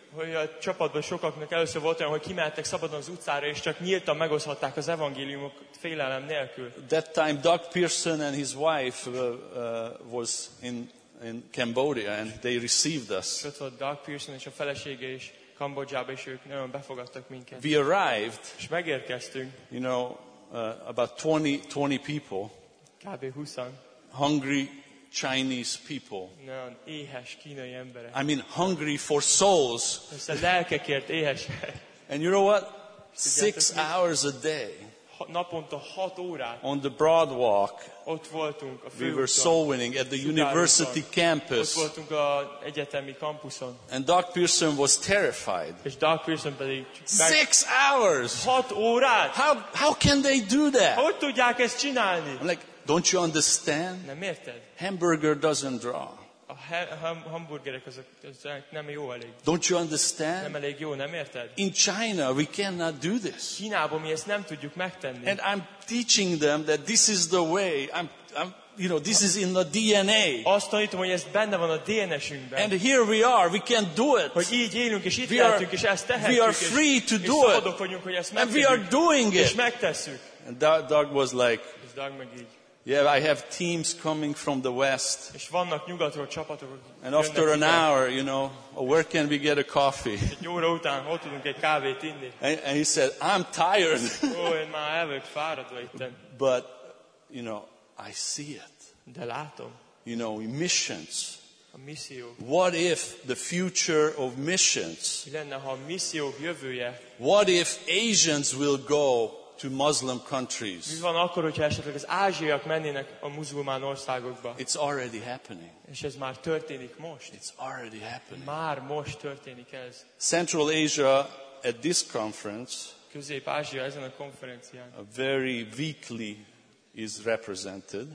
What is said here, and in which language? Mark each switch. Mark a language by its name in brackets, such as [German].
[Hungarian] Hogy a csapatban sokaknak először volt olyan, hogy kimehettek szabadon az utcára, és csak nyíltan megoszhatták az evangéliumok félelem nélkül. [English] That time Doug Pearson and his wife was in Cambodia, and they received us. [Hungarian] Ott volt Doug Pearson és a felesége is Kambodzsába, és ők nagyon befogadtak minket. [English] We arrived. [Hungarian] És megérkeztünk. [English] You know, about 20 people. [Hungarian] Kb. 20-an. [English] Hungry Chinese people. [Hungarian] Nagyon éhes kínai emberek. [English] I mean hungry for souls. [Hungarian] Össze lelkekért éhesek. [English] And you know what? 6 hours a day. [Hungarian] Naponta 6 órát. [English] On the broad walk. [Hungarian] Ott voltunk a fő úton. [English] We were soul winning at the university campus. [Hungarian] Ott voltunk a egyetemi kampuszon. [English] And Doug Pearson was terrified. [Hungarian] És Doug Pearson pedig [English] 6 hours. [Hungarian] 6 órát. [English] How can they do that? [Hungarian] Hogy tudják ezt csinálni? [English] Don't you understand? [Hungarian] Nem érted? [English] Hamburger doesn't draw. [Hungarian] A hamburgerek azok nem jó elég. [English] Don't you understand? [Hungarian] Nem elég jó, nem érted? [English] In China we cannot do this. [Hungarian] Kínában mi ezt nem tudjuk megtenni. [English] And I'm teaching them that this is the way. I'm you know, this is in the DNA. [Hungarian] Azt tanítom, hogy ez benne van a DNS-ünkben. [English] And here we are, we can do it. [Hungarian] Hogy így élünk és itt lehetünk és ezt tehetjük. [English] We are free to do it. [Hungarian] És szabadok vagyunk, hogy ezt megtegyük. [English] And we are doing it. [Hungarian] És megtesszük. [English] And Doug was like, yeah, I have teams coming from the west. [Hungarian] És vannak nyugatról csapatok. [English] And after an hour, you know, where can we get a coffee? [Hungarian] Egy óra után, hol tudunk egy kávét inni? [English] And he said, I'm tired. [Hungarian] Oh, én már elvök fáradva itten. [English] But, you know, I see it. [Hungarian] De látom. [English] You know, missions. [Hungarian] A misszió. [English] What if the future of missions? [Hungarian] Mi lenne, ha a missziók jövője? [English] What if Asians will go to Muslim countries? [Hungarian] Mi van akkor, hogyha esetleg az ázsiak mennének a muzulmán országokba? [English] It's already happening. [Hungarian] És ez már történik most. [English] It's already happening. [Hungarian] Már most történik ez. [English] Central Asia at this conference. [Hungarian] Közép-Ázsia ezen a konferencián. [English] A very weakly is represented.